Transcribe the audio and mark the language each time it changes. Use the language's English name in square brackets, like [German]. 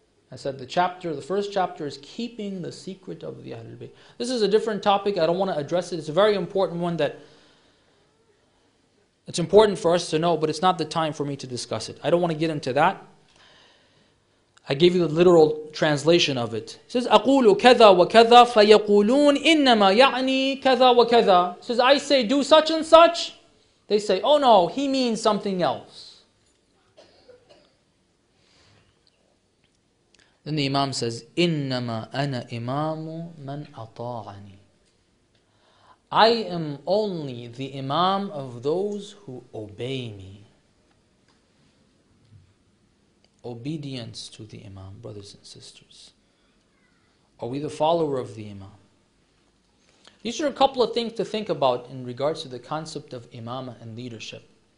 [English] I said the first chapter is keeping the secret of the Ahlul Bayt. This is a different topic, I don't want to address it. It's a very important one that it's important for us to know, but it's not the time for me to discuss it. I don't want to get into that. I gave you the literal translation of it. It says, [Arabic] أَقُولُ كَذَا وَكَذَا فَيَقُولُونَ إِنَّمَا يَعْنِي كَذَا وَكَذَا. [English] It says, I say, do such and such. They say, oh no, he means something else. Then the Imam says, [Arabic] إِنَّمَا أَنَا إِمَامُ مَنْ أَطَاعَنِي. [English] I am only the imam of those who obey me. Obedience to the imam, brothers and sisters. Are we the follower of the imam? These are a couple of things to think about in regards to the concept of imama and leadership.